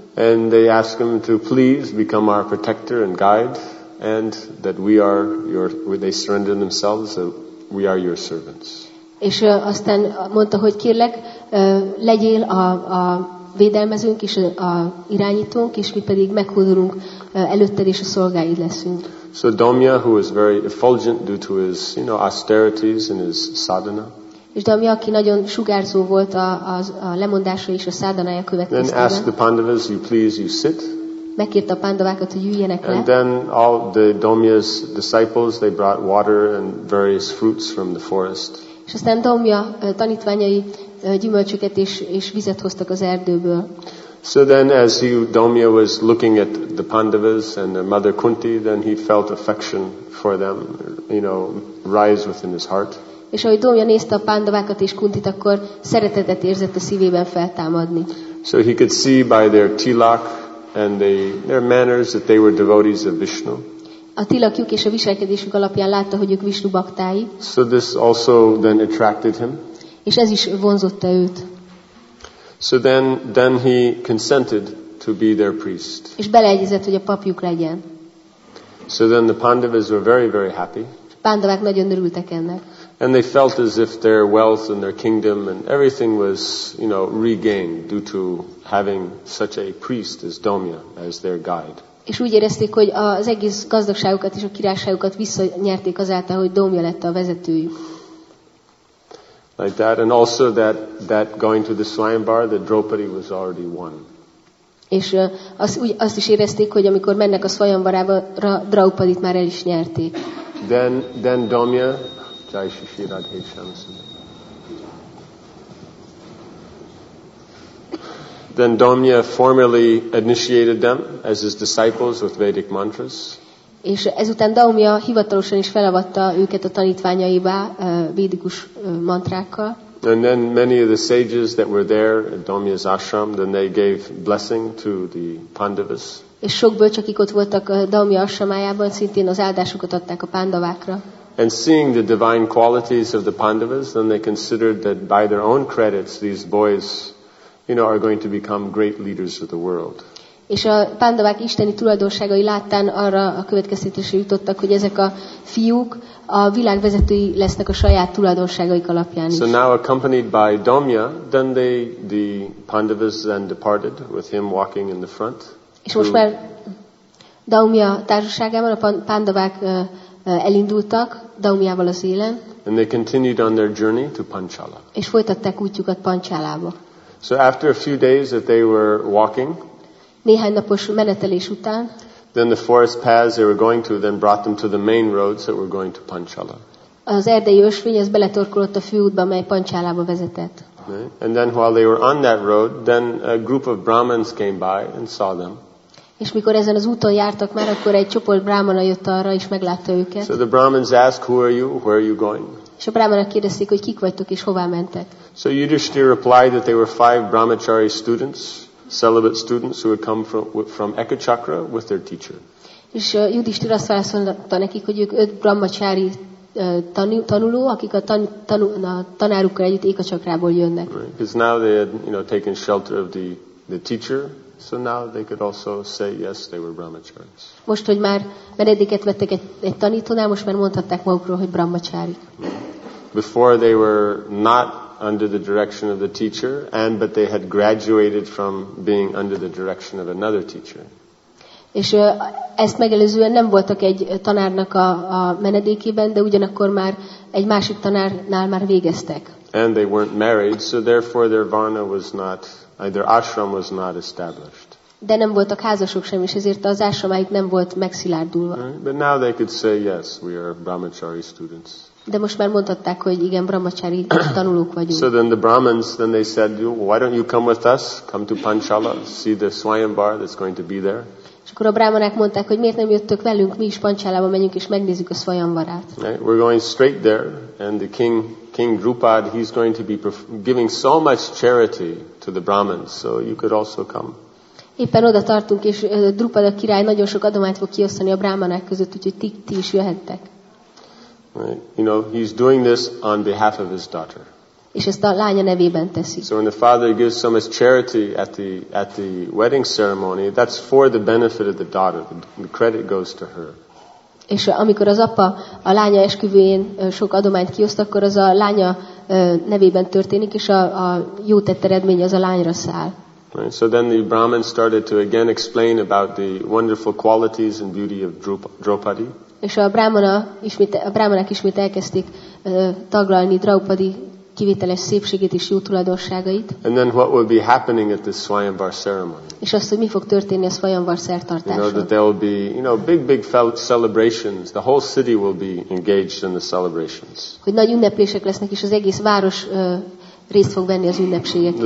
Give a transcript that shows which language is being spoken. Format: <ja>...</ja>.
<en>And they asked him to please become our protector and guide, and that we are your, where they surrender themselves, that we are your servants.</en> <hu>És aztán mondta, hogy kérlek, legyél a védelmezőnk és a irányítónk, és mi pedig meghódulunk előtted és a szolgáid leszünk.</hu> <en>So Daumya, who was very effulgent due to his, you know, austerities and his sadhana.</en> <hu>És Daumya, aki nagyon sugárzó volt a lemondása és a sadhanája következtében.</hu> <en>Then asked the Pandavas, you please, you sit.</en> <hu>Megkérte a Pandavákat, hogy üljenek le.</hu> <en>And then all the Daumya's disciples, they brought water and various fruits from the forest.</en> <hu>És aztán Daumya tanítványai gyümölcsöket és vizet hoztak az erdőből.</hu> <en>So then as Daumya was looking at the Pandavas and their mother Kunti, then he felt affection for them, you know, rise within his heart.</en> <hu>És ahogy Daumya nézte a Pandavákat és Kuntit, akkor szeretetet érzett a szívében feltámadni.</hu> <en>So he could see by their tilak and their manners that they were devotees of Vishnu.</en> <hu>A tilakjuk és a viselkedésük alapján látta, hogy ők Vishnu baktái.</hu> <en>So this also then attracted him.</en> <hu>És ez is vonzotta őt.</hu> <en>So then he consented to be their priest.</en> <hu>És beleegyezett, hogy a papjuk legyen.</hu> <en>So then the Pandavas were very, very happy.</en> <hu>A Pandavák nagyon örültek ennek.</hu> <en>And they felt as if their wealth and their kingdom and everything was, you know, regained due to having such a priest as Daumya as their guide.</en> <hu>És úgy érezték, hogy az egész gazdagságukat és a királyságukat visszanyerték azáltal, hogy Dómja lett a vezetőjük.</hu> <en>Like that, and also that going to the Swayambhar, that Draupadi was already won.</en> <hu>És azt is érezték, hogy amikor mennek a Svayamvarára, Draupadit már el is nyerték.</hu> <en>Then Dómja, Jai Shishi Radhe Shyamasundara. Then Dómja formally initiated them as his disciples with Vedic mantras.</en> <hu>És ezután Dómja hivatalosan is felavatta őket a tanítványaivá védikus mantrákkal.</hu> <en>And then many of the sages that were there at Dómja's ashram, then they gave blessing to the Pandavas.</en> <hu>És sok bölcs, akik ott voltak Dómja ashramájában, szintén az áldásukat adták a Pandavákra.</hu> <en>And seeing the divine qualities of the Pandavas, then they considered that by their own credits these boys, you know, are going to become great leaders of the world.</en> <hu>És a Pandavák isteni tulajdonságai láttán arra a következtetésre jutottak, hogy ezek a fiúk a világ vezetői lesznek a saját tulajdonságaik alapján is.</hu> <en>So now accompanied by Dómja, then the Pandavas then departed with him walking in the front.</en> <hu>És most már Dómja társaságában a Pandavák elindultak Dómjával az élen.</hu> <en>And they continued on their journey to Panchala.</en> <hu>És folytatták útjukat Panchalába.</hu> <en>So after a few days that they were walking,</en> <hu>néhány napos menetelés után,</hu> <en>then the forest paths they were going to then brought them to the main roads that were going to Panchala.</en> <hu>Az erdei ösvény ez beletorkolott a főútba, mely Panchalába vezetett.</hu> <en>And then while they were on that road, then a group of Brahmins came by and saw them.</en> <hu>És mikor ezen az úton jártak már, akkor egy csoport Brahmana jött arra és meglátta őket.</hu> <en>So the Brahmins asked, "Who are you? Where are you going?"</en> <hu>És a Brahmanak kérdezték, hogy kik vagytok és hová mentek.</hu> <en>So Yudhishthira replied that they were five brahmachari students, celibate students who had come from Ekachakra with their teacher.</en> <hu>És Yudhishthira azt válaszolta nekik, hogy ők öt brahmachari tanuló, akik a tanárukkal együtt Ekachakrából jönnek.</hu> <en>Right. Because now they had, you know, taken shelter of the teacher, so now they could also say yes, they were brahmacharis.</en> <hu>Most, hogy már menedéket vettek egy tanítónál, most már mondhatták magukról, hogy brahmacharik.</hu> <en>Before they were not under the direction of the teacher, but they had graduated from being under the direction of another teacher.</en> <hu>És ezt megelőzően nem voltak egy tanárnak a menedékében, de ugyanakkor már egy másik tanárnál már végeztek.</hu> <en>And they weren't married, so therefore their varna was not, their ashram was not established.</en> <hu>De nem voltak házasok sem, és ezért az ashramájuk nem volt megszilárdulva.</hu> <en>Right? But now they could say, yes, we are brahmachari students.</en> <hu>De most már mondhatták, hogy igen, brahmachari tanulók vagyunk.</hu> <en>So then the Brahmins, then they said, why don't you come with us? Come to Panchala, see the Svayambhar that's going to be there.</en> <hu>És akkor a brahmanák mondták, hogy miért nem jöttök velünk, mi is Panchalába menjünk és megnézzük a Svayambharát.</hu> <en>Right? We're going straight there, and the King Drupad, he's going to be giving so much charity to the Brahmins, so you could also come.</en> <hu>Éppen oda tartunk, és Drupad a király nagyon sok adományt fog kiosztani a brahmanák között, úgyhogy ti is jöhettek.</hu> <en>Right. You know, he's doing this on behalf of his daughter.</en> <hu>És ezt a lánya nevében teszi.</hu> <en>So when the father gives so much charity at the wedding ceremony, that's for the benefit of the daughter. The credit goes to her.</en> <hu>És amikor az apa a lánya esküvőjén sok adományt kioszt, akkor az a lánya nevében történik, és a jó tett eredmény az a lányra száll.</hu> <en>Right. So then the Brahmin started to again explain about the wonderful qualities and beauty of Draupadi.</en> <hu>És a brahmanák ismét elkezdték taglalni Draupadi kivételes szépségét és jó tulajdonságait.</hu> <en>And then what will be happening at this Svayambhar ceremony?</en> <hu>És azt, hogy mi fog történni a Svayambhar szertartáson.</hu> <en>You know, that there will be, you know, big celebrations. The whole city will be engaged in the celebrations.</en> <hu>Hogy nagy ünneplések lesznek, és az egész város részt fog venni az ünnepségeken.</hu>